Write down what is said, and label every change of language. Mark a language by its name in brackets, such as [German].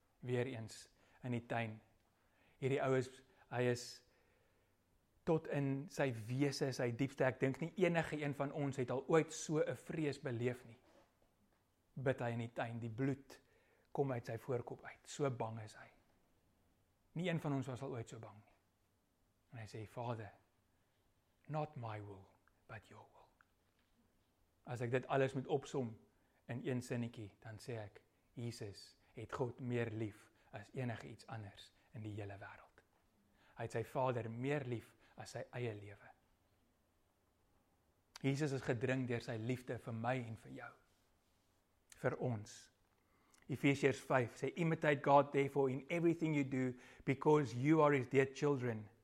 [Afrikaans] Weer eens in die tuin. Hierdie ou is, hy is tot in sy wese, sy diepste, ek dink nie enige een van ons het al ooit so 'n vrees beleef nie. Bid hy in die tuin, die bloed kom uit sy voorkop uit, so bang is hy. Nie een van ons was al ooit so bang nie. En hy sê, Vader, [English] not my will, but your will. [Afrikaans] As ek dit alles moet opsom in een sinnetjie, dan sê ek, Jesus het God meer lief as enige iets anders in die hele wêreld. Hy het sy Vader meer lief as sy eie lewe. Jesus is gedring deur sy liefde vir my en vir jou. Vir ons. Efesiërs 5 sê, [English] imitate God therefore in everything you do, because you are his dear children.